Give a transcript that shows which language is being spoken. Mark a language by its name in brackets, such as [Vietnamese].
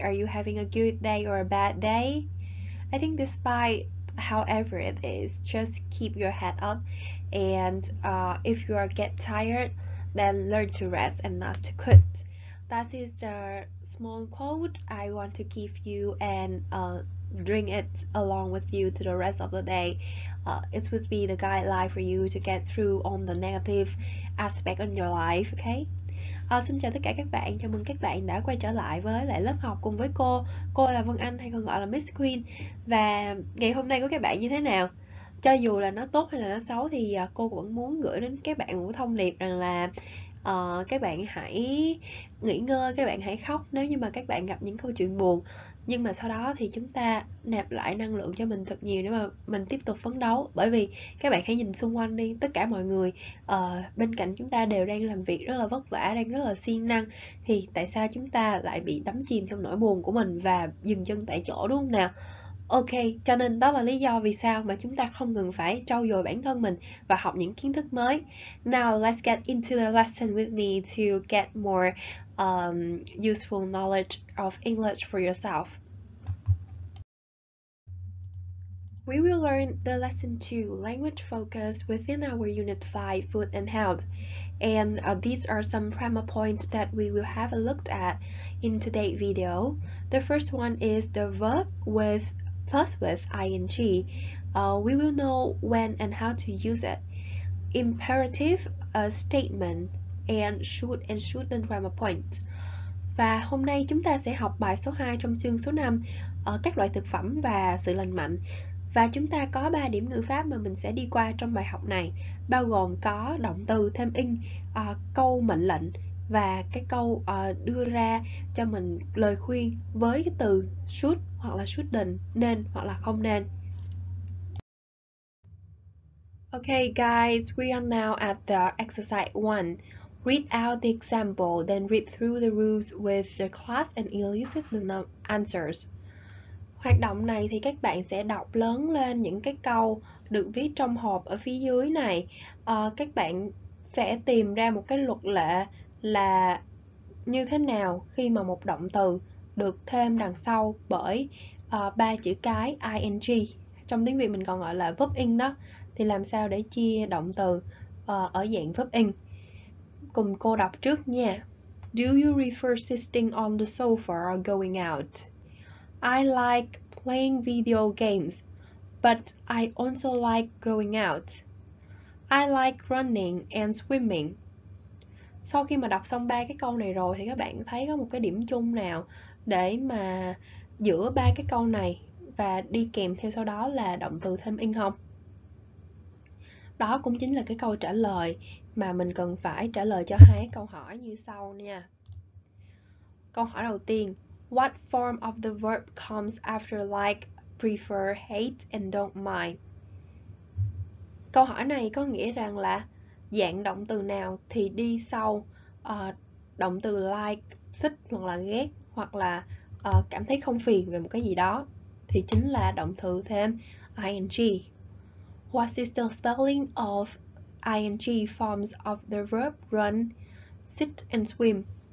[English] Are you having a good day or a bad day? I think despite however it is, just keep your head up and if you are get tired, then learn to rest and not to quit. That is the small quote I want to give you and bring it along with you to the rest of the day. It would be the guideline for you to get through on the negative aspect in your life, okay? [Vietnamese] Xin chào tất cả các bạn, chào mừng các bạn đã quay trở lại với lại lớp học cùng với cô. Cô là Vân Anh hay còn gọi là Miss Queen. Và ngày hôm nay của các bạn như thế nào? Cho dù là nó tốt hay là nó xấu thì cô vẫn muốn gửi đến các bạn một thông điệp rằng là các bạn hãy nghỉ ngơi, các bạn hãy khóc nếu như mà các bạn gặp những câu chuyện buồn. Nhưng mà sau đó thì chúng ta nạp lại năng lượng cho mình thật nhiều để mà mình tiếp tục phấn đấu. Bởi vì các bạn hãy nhìn xung quanh đi, tất cả mọi người bên cạnh chúng ta đều đang làm việc rất là vất vả, đang rất là siêng năng. Thì tại sao chúng ta lại bị đắm chìm trong nỗi buồn của mình và dừng chân tại chỗ đúng không nào? Ok, cho nên đó là lý do vì sao mà chúng ta không ngừng phải trau dồi bản thân mình và học những kiến thức mới. [English] Now let's get into the lesson with me to get more useful knowledge of English for yourself. We will learn the lesson 2, language focus, within our unit 5, food and health. And these are some primer points that we will have a look at in today's video. The first one is the verb with plus with ing. We will know when and how to use it. Imperative, a statement, and shouldn't grammar point. [Vietnamese] Và hôm nay chúng ta sẽ học bài số 2 trong chương số 5 ở các loại thực phẩm và sự lành mạnh. Và chúng ta có 3 điểm ngữ pháp mà mình sẽ đi qua trong bài học này, bao gồm có động từ thêm ing, câu mệnh lệnh và cái câu đưa ra cho mình lời khuyên với cái từ should hoặc là shouldn't, nên hoặc là không nên. [English] Okay guys, we are now at the exercise 1. Read out the example, then read through the rules with the class and elicit the answers. [Vietnamese] Hoạt động này thì các bạn sẽ đọc lớn lên những cái câu được viết trong hộp ở phía dưới này. Các bạn sẽ tìm ra một cái luật lệ là như thế nào khi mà một động từ được thêm đằng sau bởi ba chữ cái ing. Trong tiếng Việt mình còn gọi là verb ing đó. Thì làm sao để chia động từ ở dạng verb ing? Cùng cô đọc trước nha. [English] Do you prefer sitting on the sofa or going out? I like playing video games, but I also like going out. I like running and swimming. [Vietnamese] Sau khi mà đọc xong ba cái câu này rồi thì các bạn thấy có một cái điểm chung nào để mà giữa ba cái câu này và đi kèm theo sau đó là động từ thêm ing không? Đó cũng chính là cái câu trả lời mà mình cần phải trả lời cho hai câu hỏi như sau nha. Câu hỏi đầu tiên, [English] what form of the verb comes after like, prefer, hate and don't mind? [Vietnamese] Câu hỏi này có nghĩa rằng là dạng động từ nào thì đi sau động từ like, thích hoặc là ghét hoặc là cảm thấy không phiền về một cái gì đó thì chính là động từ thêm ing. [English] What is the spelling of ing forms of the verb run, sit and swim?